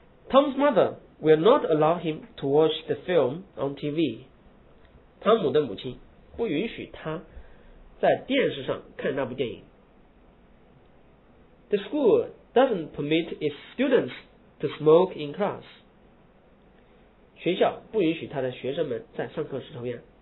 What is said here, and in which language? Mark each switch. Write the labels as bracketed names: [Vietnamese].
[English] Tom's mother will not allow him to watch the film on TV. [Chinese] 汤姆的母亲不允许他在电视上看那部电影。 [English] The school doesn't permit its students to smoke in class. [Chinese] 学校不允许他的学生们在上课时抽烟。